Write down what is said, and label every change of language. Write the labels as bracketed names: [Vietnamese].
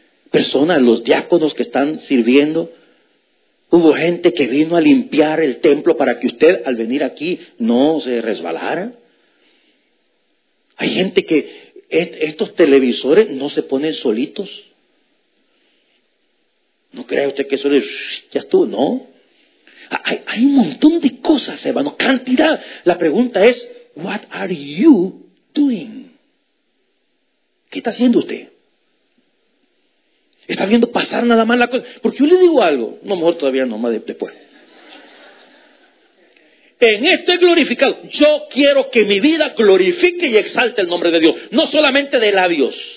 [Spanish] Personas, los diáconos que están sirviendo. Hubo gente que vino a limpiar el templo para que usted al venir aquí no se resbalara. Hay gente que estos televisores no se ponen solitos. No crea usted que eso es ya estuvo, no. Hay un montón de cosas, hermano, cantidad. La pregunta es, [English] what are you doing? [Spanish] ¿Qué está haciendo usted? ¿Está viendo pasar nada más la cosa? Porque yo le digo algo, no, mejor todavía no, más después. En esto he glorificado. Yo quiero que mi vida glorifique y exalte el nombre de Dios. No solamente de labios.